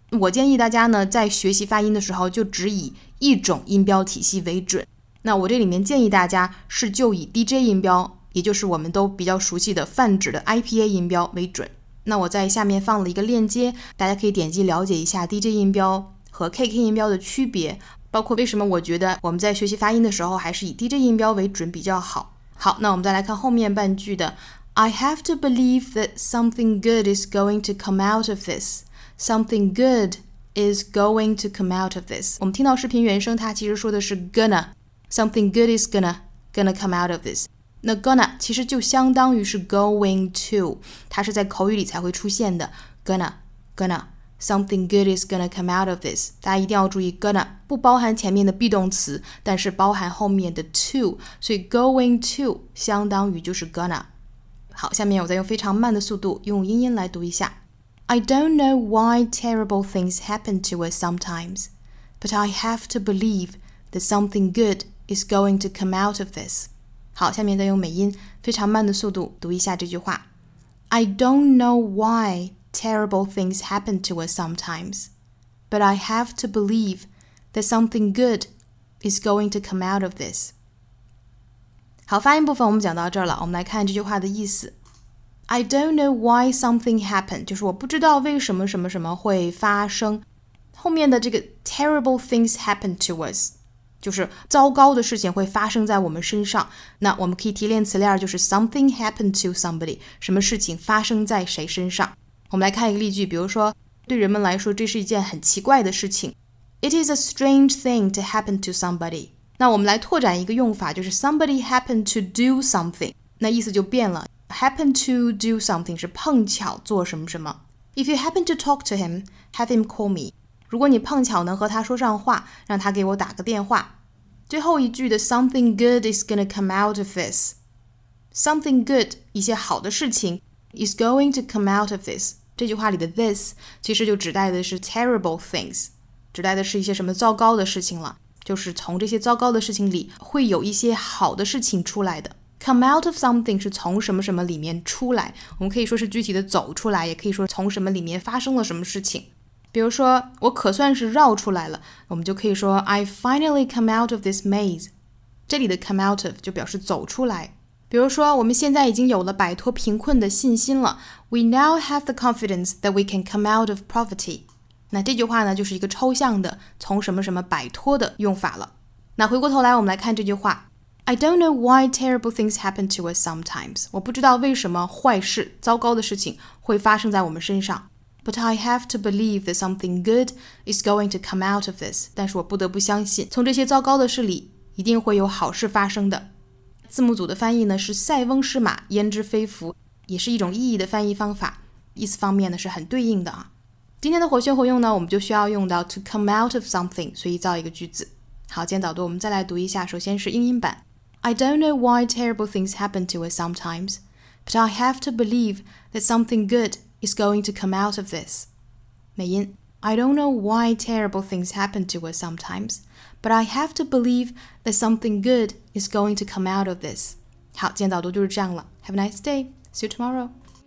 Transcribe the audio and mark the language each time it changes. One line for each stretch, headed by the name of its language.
Chinese: 我建议大家呢在学习发音的时候就只以一种音标体系为准，那我这里面建议大家是就以 DJ 音标，也就是我们都比较熟悉的泛指的 IPA 音标为准。那我在下面放了一个链接，大家可以点击了解一下 DJ 音标和 KK 音标的区别，包括为什么我觉得我们在学习发音的时候还是以 DJ 音标为准比较好。好，那我们再来看后面半句的
English: I have to believe that something good is going to come out of this。Something good is going to come out of this.
Chinese: 我们听到视频原声，它其实说的是 gonna.
English: Something good is gonna come out of this.
Chinese: 那 gonna 其实就相当于是 going to. 它是在口语里才会出现的 gonna.
English: Something good is gonna come out of this.
Chinese: 大家一定要注意 gonna 不包含前面的 be 动词，但是包含后面的 to， 所以
English: going to
Chinese: 相当于就是 gonna。好，下面我再用非常慢的速度用英音来读一下。
English: I don't know why terrible things happen to us sometimes, but I have to believe that something good is going to come out of this.
Chinese: 好，下面再用美音非常慢的速度读一下这句话。
English: I don't know whyTerrible things happen to us sometimes, but I have to believe that something good is going to come out of this.
Chinese: 好，发音部分我们讲到这儿了，我们来看这句话的意思。
English: I don't know why something happened,
Chinese: 就是我不知道为什么什么什么会发生。后面的这个
English: terrible things happen to us,
Chinese: 就是糟糕的事情会发生在我们身上。那我们可以提炼词链，就是
English: something happened to somebody,
Chinese: 什么事情发生在谁身上。我们来看一个例句，比如说，对人们来说，这是一件很奇怪的事情。
English: It is a strange thing to happen to somebody.
Chinese: 那我们来拓展一个用法，就是
English: somebody happened to do something.
Chinese: 那意思就变了。
English: Happen to do something
Chinese: 是碰巧做什么什么。
English: If you happen to talk to him, have him call me.
Chinese: 如果你碰巧能和他说上话，让他给我打个电话。最后一句的
English: something good is gonna come out of this. Something good,
Chinese: 一些好的事情。
English: Is going to come out of this.
Chinese: 这句话里的 this 其实就指代的是 terrible things， 指代的是一些什么糟糕的事情了，就是从这些糟糕的事情里会有一些好的事情出来的。
English: Come out of something
Chinese: 是从什么什么里面出来，我们可以说是具体的走出来，也可以说从什么里面发生了什么事情。比如说我可算是绕出来了，我们就可以说
English: I finally come out of this maze.
Chinese: 这里的 come out of 就表示走出来。比如说我们现在已经有了摆脱贫困的信心了。
English: We now have the confidence that we can come out of poverty.
Chinese: 那这句话呢就是一个抽象的从什么什么摆脱的用法了。那回过头来我们来看这句话。
English: I don't know why terrible things happen to us sometimes.
Chinese: 我不知道为什么坏事糟糕的事情会发生在我们身上。
English: But I have to believe that something good is going to come out of this.
Chinese: 但是我不得不相信从这些糟糕的事里一定会有好事发生的。字幕组的翻译呢是塞翁失马焉知非福，也是一种意义的翻译方法，意思方面呢是很对应的啊。今天的活学活用呢我们就需要用到
English: to come out of something，
Chinese: 所以造一个句子。好，今天早读我们再来读一下，首先是英音版。
English: I don't know why terrible things happen to us sometimes, but I have to believe that something good is going to come out of this.
Chinese: 美音。
English: I don't know why terrible things happen to us sometimes,But I have to believe that something good is going to come out of this.
Chinese: 好，今天早读就是这样了。
English: Have a nice day. See you tomorrow.